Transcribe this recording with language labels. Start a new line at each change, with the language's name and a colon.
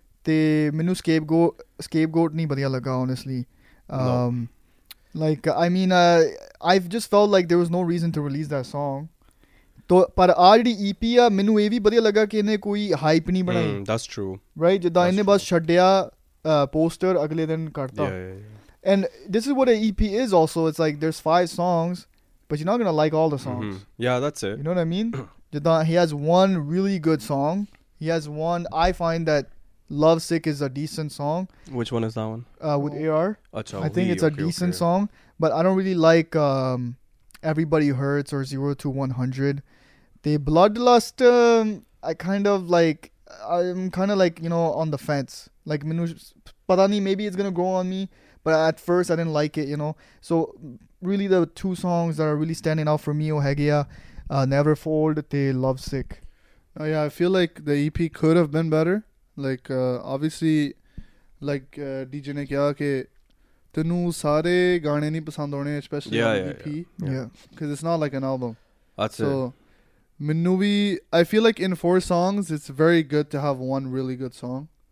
Punjabi: Te mainu scapegoat nahi badhiya laga honestly.
English: Like, I mean, I've just felt like there was no reason to release that song.
Punjabi: ਪਰ ਆਹ ਜਿਹੜੀ ਈ ਪੀ ਆ, ਮੈਨੂੰ ਇਹ ਵੀ ਵਧੀਆ ਲੱਗਾ ਕਿ ਇਹਨੇ ਕੋਈ ਹਾਈਪ ਨਹੀਂ ਬਣਾਈ.
English: That's true, right?
Punjabi: ਜਿੱਦਾਂ ਇਹਨੇ ਬਸ ਛੱਡਿਆ ਪੋਸਟਰ, ਅਗਲੇ ਦਿਨ ਕੱਢਤਾ.
English: And this is what a E P is also, it's like there's 5 songs but you not gonna like all the songs. Yeah, that's it, you know what I mean?
Punjabi: ਜਿੱਦਾਂ
English: ਹੀ has one really good song, he has one, I find that love sick is a decent song. Which one is that one? With A R.
Punjabi: ਅੱਛਾ,
English: I think it's a decent song, but I don't really like Everybody Hurts or 0 to 100. The Bloodlust, I'm kind of like, you know, on the fence. Like, maybe it's going to grow on me, but at first I didn't like it, you know. So really the two songs that are really standing out for me, Never Fold, they Love Sick. Oh yeah, I feel like the EP could have been better. Like, obviously, like
Punjabi: DJ ne kya ke, ਤੈਨੂੰ ਸਾਰੇ ਗਾਣੇ ਨਹੀਂ ਪਸੰਦ ਆਉਣੇ,
English: Specially EP, because it's not like an album. So
Punjabi: ਮੈਨੂੰ ਵੀ
English: I feel like in 4 songs it's very good to have one really good song.